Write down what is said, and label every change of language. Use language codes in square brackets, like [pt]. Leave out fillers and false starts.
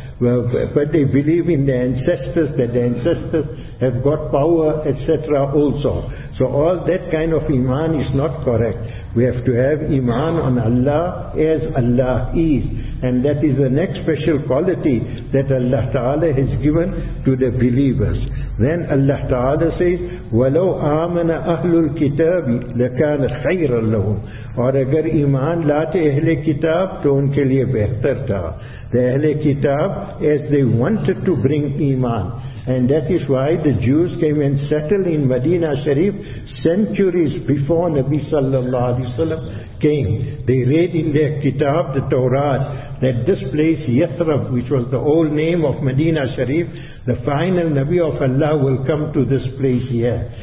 [en] Well, but they believe in their ancestors, that their ancestors have got power, etc. also. So all that kind of iman is not correct. We have to have iman on Allah as Allah is. And that is the next special quality that Allah Ta'ala has given to the believers. Then Allah Ta'ala says, [ar] وَلَوْ آمَنَ أَهْلُ الْكِتَابِ لَكَانَ خَيْرًا لَهُمْ [ur] اور اگر ایمان لاتے اہلِ کتاب تو ان کے لئے بہتر تھا. [en] The اہلِ کتاب, as they wanted to bring ایمان. And that is why the Jews came and settled in Medina Sharif centuries before Nabi sallallahu alaihi wasallam came. They read in their kitab, the Torah, that this place, Yathrib, which was the old name of Medina Sharif, the final Nabi of Allah will come to this place here.